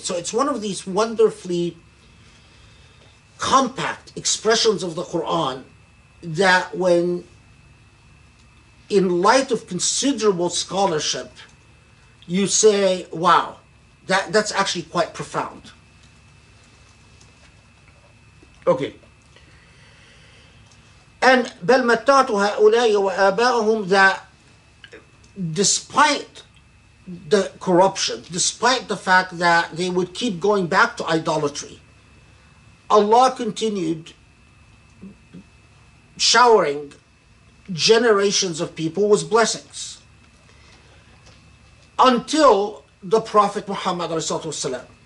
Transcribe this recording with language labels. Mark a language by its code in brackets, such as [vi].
[en] So it's one of these wonderfully compact expressions of the Quran that when, in light of considerable scholarship, you say, wow, that's actually quite profound. Okay. And [ar] بَلْ مَتَّعْتُ هَؤُلَاءِ وَآبَاءَهُمْ, [en] that despite the corruption, despite the fact that they would keep going back to idolatry. Allah continued showering generations of people with blessings until the Prophet Muhammad ﷺ.